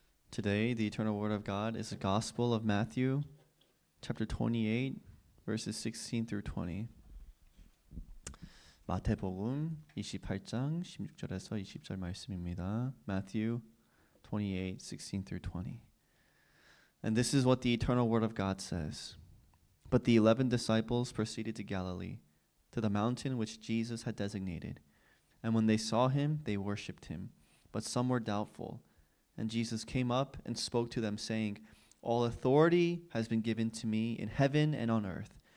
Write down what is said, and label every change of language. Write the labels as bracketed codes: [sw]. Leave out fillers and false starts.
[en] Today, the eternal word of God is the Gospel of Matthew, chapter 28, verses 16 through 20. [ko] 마태복음 28장 16절에서 20절 말씀입니다. [en] Matthew 28, 16 through 20. And this is what the eternal word of God says. But the 11 disciples proceeded to Galilee, to the mountain which Jesus had designated. And when they saw him, they worshipped him. But some were doubtful. And Jesus came up and spoke to them, saying, All authority has been given to me in heaven and on earth.